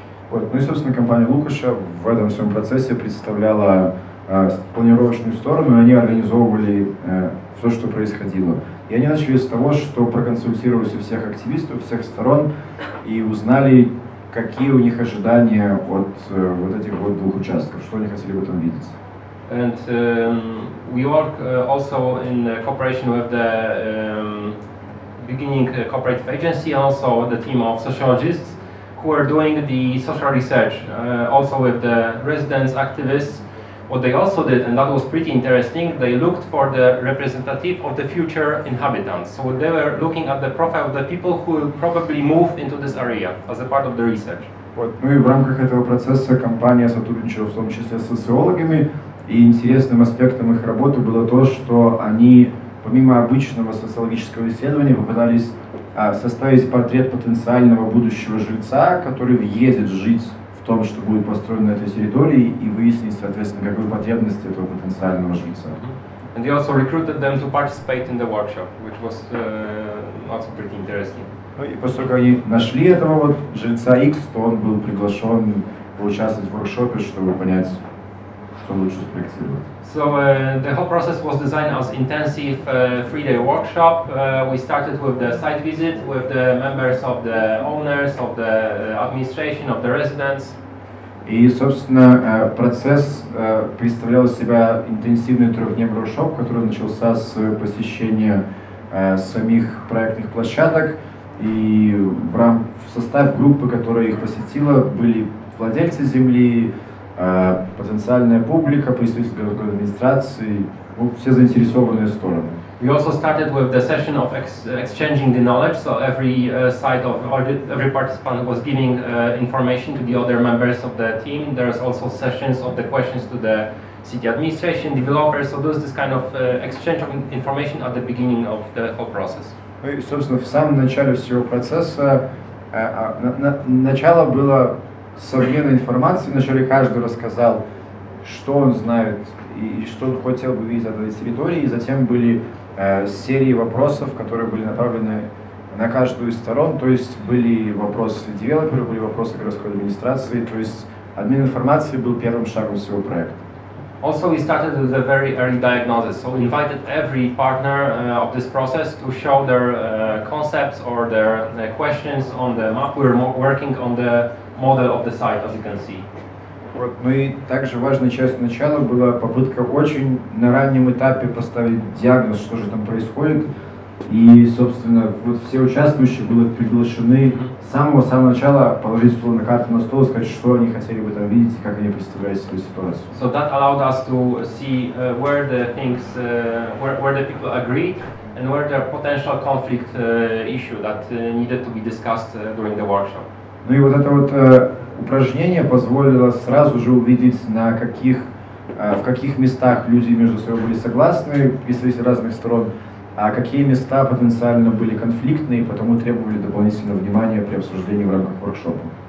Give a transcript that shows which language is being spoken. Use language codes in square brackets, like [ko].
[ru] Вот, ну и, собственно, компания Лукаша в этом всем процессе представляла планировочную сторону, и они организовывали все, что происходило. И они начали с того, что проконсультировались у всех активистов, всех сторон, и узнали, какие у них ожидания от вот этих вот двух участков, что они хотели в этом видеть. [en] And we work also in cooperation with the beginning cooperative agency, also with the team of sociologists, who are doing the social research, also with the residents, activists. What they also did, and that was pretty interesting, they looked for the representative of the future inhabitants. So they were looking at the profile of the people who will probably move into this area as a part of the research. [ru] Вот. Ну и в рамках этого процесса компания сотрудничала в том числе с социологами, и интересным аспектом их работы было то, что они, помимо обычного социологического исследования, попытались составить портрет потенциального будущего жильца, который въедет жить в том, что будет построено на этой территории, и выяснить, соответственно, какую потребность этого потенциального жильца. [en] And they also recruited them to participate in the workshop, which was also pretty interesting. [ru] Ну и поскольку они нашли этого вот жильца X, то он был приглашен поучаствовать в воркшопе, чтобы понять, что лучше спроектировать. [en] So the whole process was designed as intensive three-day workshop. We started with the site visit with the members of the owners, of the administration, of the residents. [ru] И, собственно, процесс представлял себя интенсивный трехдневный воркшоп, который начался с посещения самих проектных площадок. И в состав группы, которая их посетила, были владельцы земли, потенциальная публика, представитель городской администрации, ну, все заинтересованные стороны. [en] We also started with the session of exchanging the knowledge, so every side of every participant was giving information to the other members of the team. There is also sessions of the questions to the city administration, developers, so there's this kind of exchange of information at the beginning of the whole process. [ru] Ну и, собственно, в самом начале всего процесса начало было с обменом информацией. Вначале каждый рассказал, что он знает и что он хотел бы видеть от этой территории, и затем были серии вопросов, которые были направлены на каждую из сторон, то есть были вопросы девелоперов, были вопросы городской администрации, то есть обмен информацией был первым шагом всего проекта. [en] Also, we started with a very early diagnosis, so we invited every partner of this process to show their concepts or their questions on the map. We were working on the model of the site, as you can see. [ru] Вот. Ну и также важной частью начала была попытка очень на раннем этапе поставить диагноз, что же там происходит. И, собственно, вот все участвующие были приглашены с самого-самого начала положить условно карту на стол, сказать, что они хотели бы там видеть, как они представляют свою ситуацию. [en] So that allowed us to see where the things, where the people agreed and where the potential conflict issue that needed to be discussed during the workshop. [ru] Ну и вот это вот упражнение позволило сразу же увидеть, на каких, в каких местах люди между собой были согласны, представители разных сторон, а какие места потенциально были конфликтные, потому требовали дополнительного внимания при обсуждении в рамках воркшопа.